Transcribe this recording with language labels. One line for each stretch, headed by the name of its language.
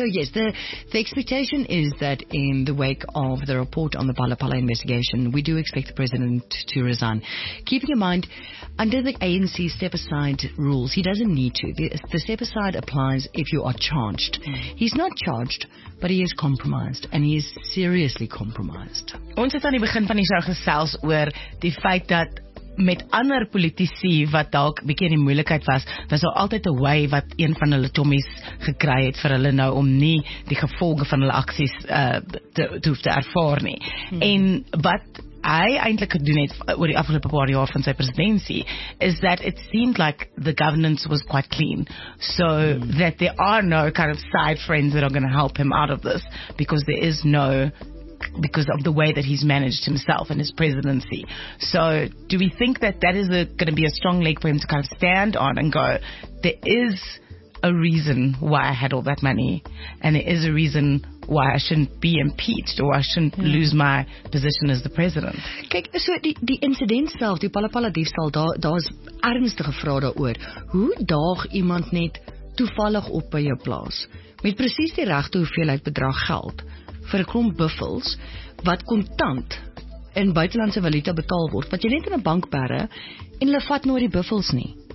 English: So, yes, the expectation is that in the wake of the report on the Palapala investigation, we do expect the president to resign. Keeping in mind, under the ANC step-aside rules, he doesn't need to. The step-aside applies if you are charged. He's not charged, but he is compromised, and he is seriously compromised.
Afrikaans: Ons het aan die begin van die show gesels oor die feit dat met ander politici wat dalk bietjie in die moeilikheid was, was daar altyd 'n way wat een van hulle tommies gekry het vir hulle nou om nie die gevolge van hulle aksies te ervaar nie. En wat hy eintlik gedoen het oor die afgelope paar jaar van sy presidentsie is
English: that it seemed like the governance was quite clean, so that there are no kind of side friends that are going to help him out of this, because there is no, because of the way that he's managed himself and his presidency. So do we think that that is going to be a strong leg for him to kind of stand on and go, there is a reason why I had all that money, and there is a reason why I shouldn't be impeached, or I shouldn't lose my position as the president.
Afrikaans: Kyk, so die incident self, die Palapala diefstal, daar is ernstige vrae daaroor. Hoe daag iemand net toevallig op by jou plaas met precies die regte hoeveelheid bedrag geld vir 'n klomp buffels wat kontant in buitelandse valuta betaal word, wat jy net in 'n bank bere, en hulle vat nooit die buffels nie.